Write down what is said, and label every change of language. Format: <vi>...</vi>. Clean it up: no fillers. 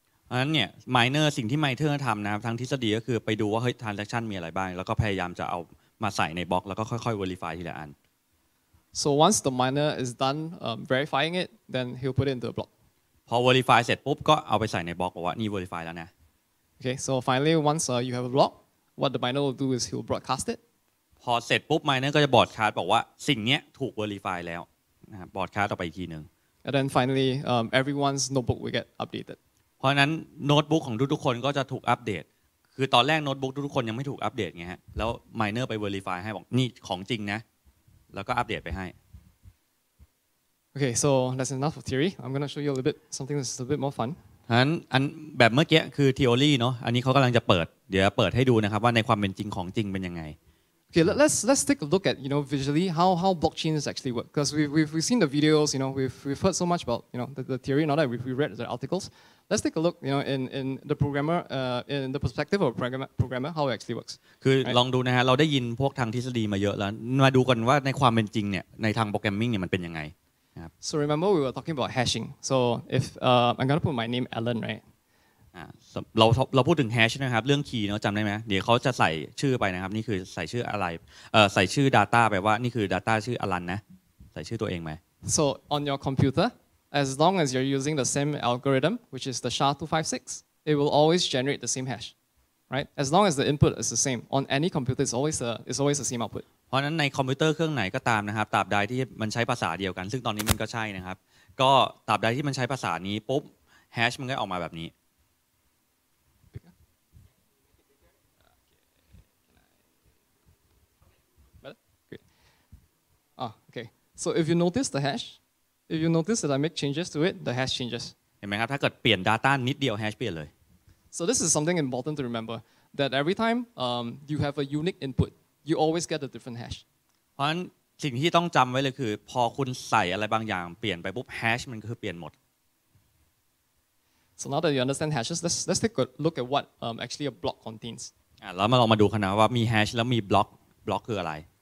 <th>อันนี้ miner สิ่งที่ miner ทำนะครับทางทฤษฎีก็คือไปดูว่าเฮ้ย transaction มีอะไรบ้างแล้วก็พยายามจะเอามาใส่ในบล็อกแล้วก็ค่อยๆ verify ทีละอัน</th> <en>So once the miner is done verifying it, then he'll put it into a block.</en> <th>พอ verify เสร็จปุ๊บก็เอาไปใส่ในบล็อกว่านี่ verify แล้วนะ</th> <en>Okay, so finally, once you have a block, what the miner will do is he'll broadcast it.</en> <th>พอเสร็จปุ๊บ miner ก็จะ broadcast บอกว่าสิ่งนี้ถูก verify แล้วนะบอร์ดคาร์ดต่อไปอีกทีนึง</th> <en>And then finally everyone's notebook will get updated</en> <th>เพราะนั้นโน้ตบุ๊กของทุกๆคนก็จะถูกอัปเดตคือตอนแรกโน้ตบุ๊กทุกๆคนยังไม่ถูกอัปเดตไงฮะแล้วไมเนอร์ไป verify ให้บอกนี่ของจริงนะแล้วก็อัปเดตไปให้</th> <en>Okay so that's enough of theory I'm going to show you a little bit something that's a little bit more fun</en> <th>งั้นอันแบบเมื่อกี้คือ theory เนาะอันนี้เขากำลังจะเปิดเดี๋ยวเปิดให้ดูนะครับว่าในความเป็นจริงของจริงเป็นยังไง</th> <en>Okay, let's take a look at, you know, visually how blockchains actually work. Because we've seen the videos, you know, we've heard so much about, you know, the theory and all that. We read the articles. Let's take a look, you know, in the programmer, in the perspective of programmer, how it actually works.</en> <th>คือลองดูนะฮะเราได้ยินพวกทางทฤษฎีมาเยอะแล้วมาดูกันว่าในความเป็นจริงเนี่ยในทางโปรแกรมมิ่งเนี่ยมันเป็นยังไงครับ</th> <en>So remember we were talking about hashing. So if I'm gonna put my name Alan, right?</en> <th>เราพูดถึงแฮชนะครับเรื่องคีย์เนาะจำได้ไหมเดี๋ยวเขาจะใส่ชื่อไปนะครับนี่คือใส่ชื่ออะไรใส่ชื่อ data ไปว่านี่คือ data ชื่ออลันนะใส่ชื่อตัวเองไหม</th> <en>so on your computer as long as you're using the same algorithm which is the SHA-256 it will always generate the same hash right as long as the input is the same on any computer it's always the same output</en> <th>เพราะฉะนั้นในคอมพิวเตอร์เครื่องไหนก็ตามนะครับตราบใดที่มันใช้ภาษาเดียวกันซึ่งตอนนี้มันก็ใช่นะครับก็ตราบใดที่มันใช้ภาษานี้ปุ๊บแฮชมันก็ออกมาแบบนี้</th> <en>Oh, okay. So if you notice the hash, if you notice that I make changes to it, the hash changes.</en> <th>เห็นไหมครับถ้าเกิดเปลี่ยน data นิดเดียว hash เปลี่ยนเลย</th> <en>So this is something important to remember that every time you have a unique input, you always get a different hash.</en> <th>เพราะฉะนั้นสิ่งที่ต้องจำไว้เลยคือพอคุณใส่อะไรบางอย่างเปลี่ยนไปปุ๊บ hash มันก็คือเปลี่ยนหมด</th> <en>So now that you understand hashes, let's take a look at what actually a block contains.</en> <th>แล้วมาลองมาดูกันนะว่ามี hash แล้วมีบล็อกคืออะไร</th>